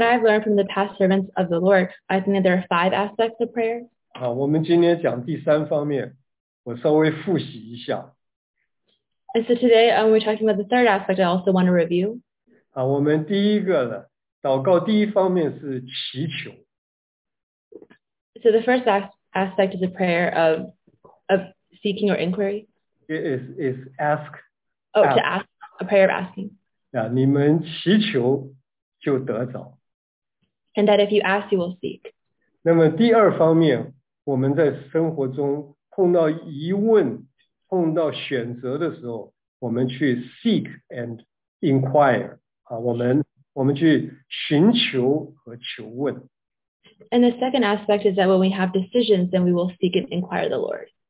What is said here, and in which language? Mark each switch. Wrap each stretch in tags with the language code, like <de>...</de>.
<en>from what I've learned from the past servants of the Lord, I think that there are five aspects of prayer.</en> <zh>我们今天讲第三方面，我稍微复习一下。And</zh> <en>so today when we're talking about the third aspect, I also want to review.</en> <zh>我们第一个呢，祷告第一方面是祈求。</zh> <en>So the first aspect is a prayer of seeking or inquiry. It is ask. Oh, to ask, a prayer of asking.</en> <zh>Yeah, 你们祈求就得着。</zh> <en>And that if you ask, you will seek.</en> <zh>那么第二方面，我们在生活中碰到疑问，碰到选择的时候，我们去</zh> <en>seek and inquire。</en> <zh>我们去寻求和求问。</zh> <en>And the second aspect is that when we have decisions, then we will seek and inquire the Lord.</en>